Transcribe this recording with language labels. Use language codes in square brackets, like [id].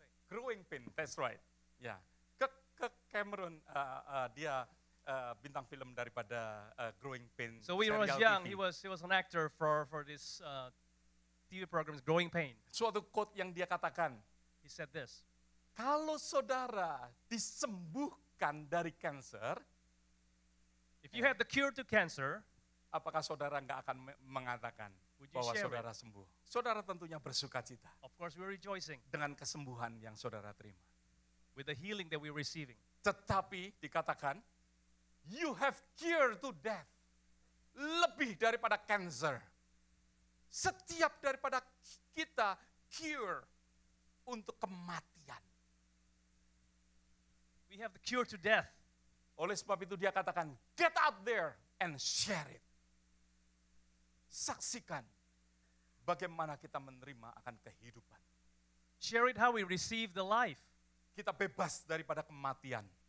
[en] Growing Pain, that's right. [id] Ya, yeah. Ke Cameron dia bintang film daripada Growing Pain. [en] So when he was young, he was an actor for this TV program Growing Pain. [id] Suatu quote yang dia katakan. [en] He said this. [id] Kalau saudara disembuhkan dari kanker, [en] if you have the cure to cancer, [id] apakah saudara enggak akan mengatakan bahwa saudara sembuh? Saudara tentunya bersukacita. [en] Of course we're rejoicing [id] dengan kesembuhan yang saudara terima. [en] With the healing that we're receiving. [id] Tetapi dikatakan [en] you have cure to death. [id] Lebih daripada cancer. Setiap daripada kita cure untuk kematian. [en] We have the cure to death. [id] Oleh sebab itu dia katakan [en] get out there and share it. [id] Saksikan bagaimana kita menerima akan kehidupan. [en] Share it how we receive the life. [id] Kita bebas daripada kematian.